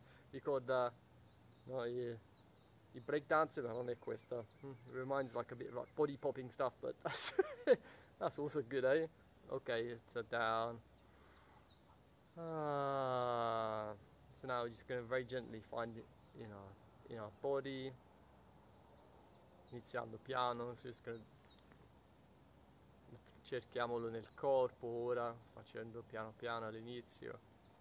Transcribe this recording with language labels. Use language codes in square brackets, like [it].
[it] Ricorda, no, I breakdancer, ma non è questo. [en] It reminds like a bit of like body popping stuff, but that's, that's also good, eh? Okay, it's a down. So now we're just going to very gently find it in our body. [it] Iniziando piano, cerchiamolo nel corpo ora, facendo piano piano all'inizio.